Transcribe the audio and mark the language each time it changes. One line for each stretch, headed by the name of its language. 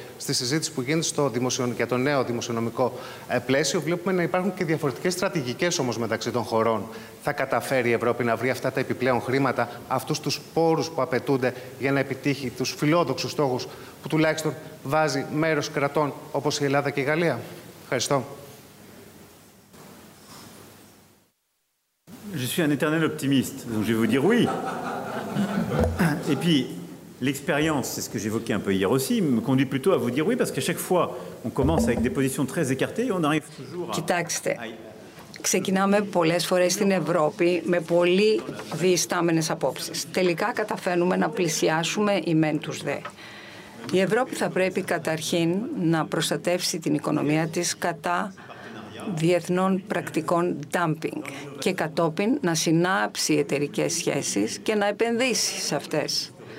Greek: Στη συζήτηση που γίνεται για το νέο δημοσιονομικό πλαίσιο, βλέπουμε να υπάρχουν και διαφορετικές στρατηγικές όμως μεταξύ των χωρών. Θα καταφέρει η Ευρώπη να βρει αυτά τα επιπλέον χρήματα, αυτούς τους πόρους που απαιτούνται για να επιτύχει τους φιλόδοξους στόχους που τουλάχιστον βάζει μέρος κρατών όπως η Ελλάδα και η Γαλλία? Ευχαριστώ.
French: Je suis un éternel optimiste, donc je vais vous dire oui. Et puis, L'expérience, c'est ce que j'évoquais un peu hier aussi, me conduit plutôt à vous dire oui, parce qu'à chaque fois, on commence avec des positions très écartées et on arrive toujours à...
Greek: Κοιτάξτε, ξεκινάμε πολλές φορές στην Ευρώπη με πολύ διεστάμενες απόψεις. Τελικά καταφέρνουμε να πλησιάσουμε οι μεν τους δε. Η Ευρώπη θα πρέπει καταρχήν να προστατεύσει την οικονομία της κατά διεθνών πρακτικών dumping και κατόπιν να συνάψει εταιρικές σχέσεις και να επενδύσει σε αυτές.